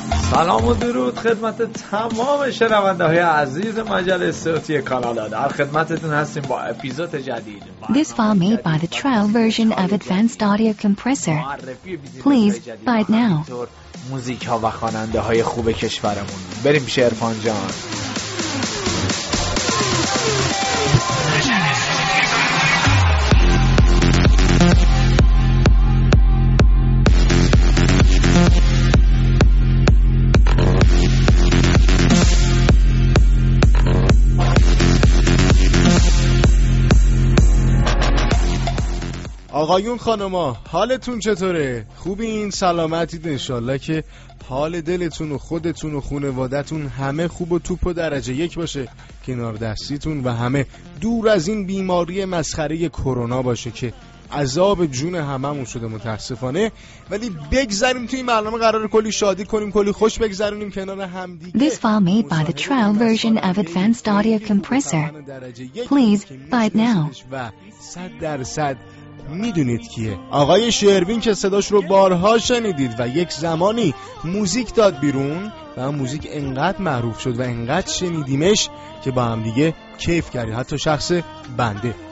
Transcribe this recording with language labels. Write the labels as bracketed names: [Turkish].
[Persian] سلام و درود خدمت تمام شنونده های عزیز مجله صوتی کانادا. در خدمتتون هستیم با اپیزود جدید. [English] This file made by the trial version of advanced audio compressor. Please buy it now. [Persian] موزیک ها و خواننده های خوب کشورمون. بریم پیش عرفان جان. آقایون خانما حالتون چطوره؟ خوبین؟ سلامتید؟ انشالله که حال دلتون و خودتون و خانوادتون همه خوب و توپ و درجه یک باشه، کنار دستیتون و همه دور از این بیماری مسخره کرونا باشه که عذاب جون هممون شده متاسفانه. ولی بگذاریم توی این برنامه، قرار کلی شادی کنیم، کلی خوش بگذاریم کنار هم دیگه. [English] This file made by the trial version of advanced audio compressor. Please buy it now. [Persian] و 100% میدونید کیه؟ آقای شروین که صداش رو بارها شنیدید و یک زمانی موزیک داد بیرون و موزیک انقدر معروف شد و انقدر شنیدیمش که با هم دیگه کیف کردیم، حتی شخص بنده.